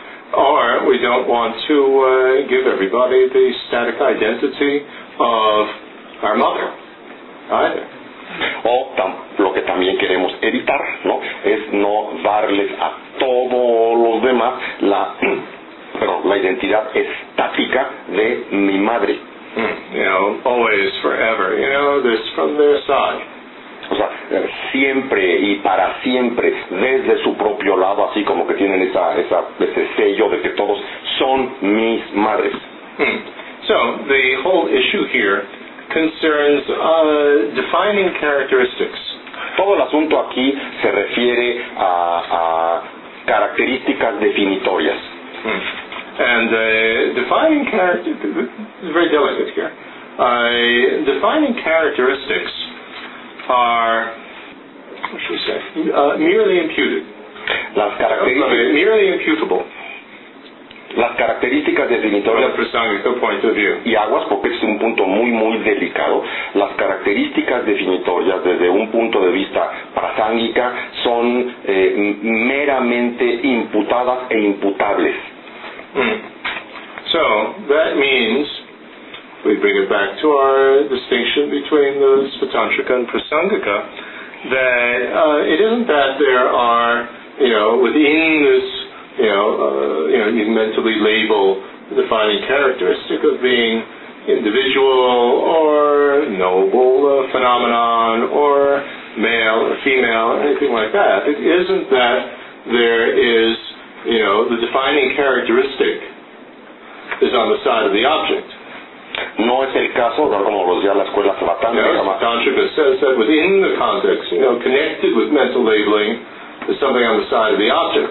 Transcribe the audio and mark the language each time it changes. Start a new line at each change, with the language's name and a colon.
English: Or we don't want to give everybody the static identity of our mother, either.
Spanish: O lo que también queremos evitar, ¿no?, es no darles a todos los demás la identidad estática de mi madre.
English: Always, forever, this from their side.
Spanish: O sea, siempre y para siempre desde su propio lado, así como que tienen ese sello de que todos son mis madres.
English: So the whole issue here concerns defining characteristics.
Spanish: Todo el asunto aquí se refiere a características definitorias.
English: And defining characteristics, very delicate here. Defining characteristics are, what should we say, merely imputed.
Spanish: Las características.
English: Okay, merely imputable.
Spanish: Las características definitorias, y aguas porque es un punto muy muy delicado, las características definitorias desde un punto de vista prasángica son meramente imputadas e imputables.
English: So that means we bring it back to our distinction between the svatantrika and prasangika, that it isn't that there are, you know, within this, you mentally label the defining characteristic of being individual or noble phenomenon or male or female or anything like that. It isn't that there is, the defining characteristic is on the side of the object.
Spanish: No es el caso, como lo decía la escuela svatantrika.
English: No, svatantrika says that within the context, connected with mental labeling, there's something on the side of the object.